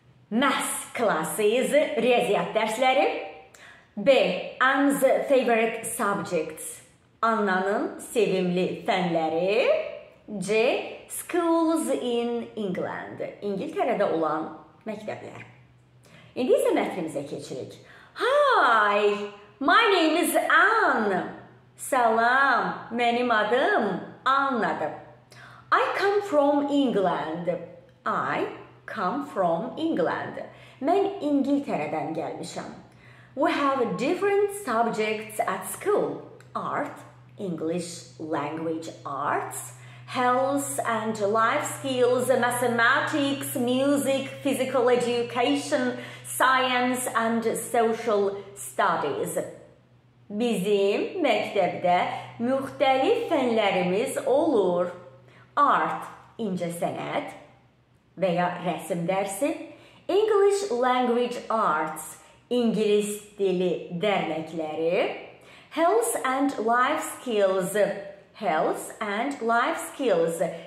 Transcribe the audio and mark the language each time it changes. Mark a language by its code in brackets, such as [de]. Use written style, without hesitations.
[en] Math classes, [az] riyaziyyat dərsləri. B. [en] Anne's favorite subjects. [az] Annanın sevimli fənləri. C. [en] Schools in England. [az] İngiltərədə olan məktəblər. İndi isə mətnimizə keçirik. [en] Hi, my name is Anne. [az] Salam, mənim adım Anne-dır. [en] I come from England. I come from England. [az] Mən İngiltərədən gəlmişəm. [en] We have different subjects at school. Art, English language arts, health and life skills, mathematics, music, physical education, science and social studies. [az] Bizim məktəbdə müxtəlif fənlərimiz olur. Art, incəsənət və ya rəsim dərsi, [en] English language arts, [az] İngilis dili dərnəkləri, [en] health and life skills,